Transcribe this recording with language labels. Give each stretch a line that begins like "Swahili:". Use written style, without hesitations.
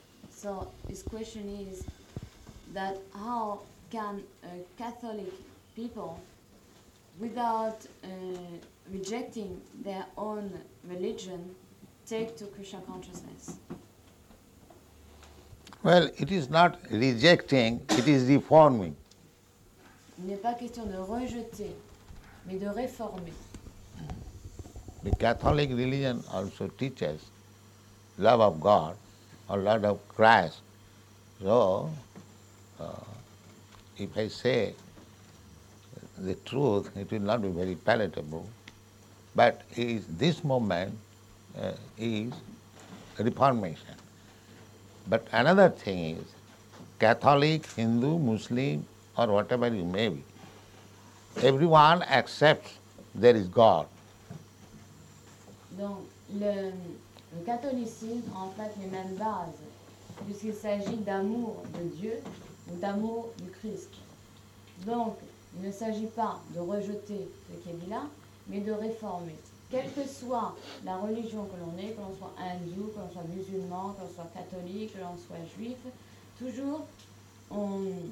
English: So this question is that how can Catholic people, without rejecting their own religion, take to Krishna consciousness? Well, it is not rejecting, it is reforming.
French: Il n'est pas question de rejeter, mais de réformer.
English: The Catholic religion also teaches love of God or love of Christ. So, if I say the truth, it will not be very palatable. But is this moment is reformation. But another thing is, Catholic, Hindu, Muslim, or whatever you may be, everyone accepts there is God.
French: Donc, le catholicisme en fait les mêmes bases, puisqu'il s'agit d'amour de Dieu ou d'amour du Christ. Donc, il ne s'agit pas de rejeter ce qui est dit là, mais de réformer. Quelle que soit la religion que l'on ait, que l'on soit hindou, que l'on soit musulman, que l'on soit catholique, que l'on soit juif, toujours on...